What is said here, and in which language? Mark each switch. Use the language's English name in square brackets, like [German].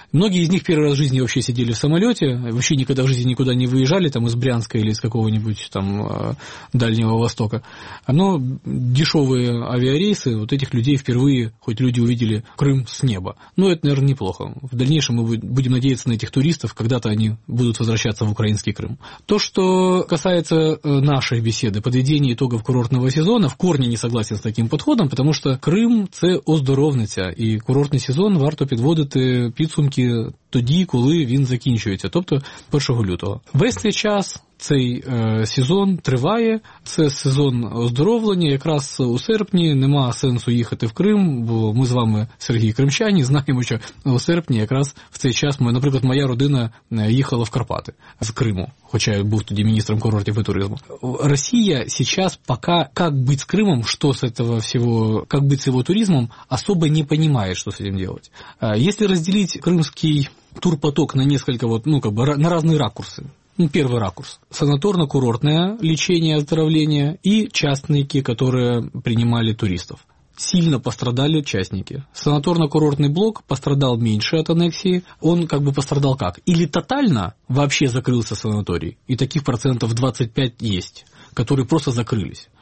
[Russian] Многие из них первый раз в жизни вообще сидели в самолете, вообще никогда в жизни никуда не выезжали, там, из Брянска или из какого-нибудь, там, Дальнего Востока. Но дешевые авиарейсы, вот этих людей впервые, хоть люди увидели Крым с неба. Ну, это, наверное, неплохо. В дальнейшем мы будем надеяться на этих туристов, когда-то они будут возвращаться в украинский Крым. То, что касается нашей беседы, подведения итогов курортного сезона, в корне не согласен с таким подходом, потому что Крым – [Ukrainian] це оздоровниця, і курортний сезон варто підводити підсумки тоді, коли він закінчується, тобто 1 лютого. Весь цей час цей сезон триває, це сезон оздоровлення, якраз у серпні нема сенсу їхати в Крим, бо ми з вами, Сергій, кримчані, знаємо, що у серпні якраз в цей час, наприклад, моя родина їхала в Карпати з Криму, хоча я був тоді міністром курортів і туризму. Росія зараз поки, як бути з Кримом, що з цього всього, як бути з його туризмом, особо не розуміє, що з цим робити. Якщо розділити кримський турпоток на несколько, на різні ракурси, [Russian] первый ракурс. Санаторно-курортное лечение, оздоровление и частники, которые принимали туристов. Сильно пострадали частники. Санаторно-курортный блок пострадал меньше от аннексии. Он как бы пострадал как? Или тотально вообще закрылся санаторий, и таких процентов 25 есть, которые просто закрылись.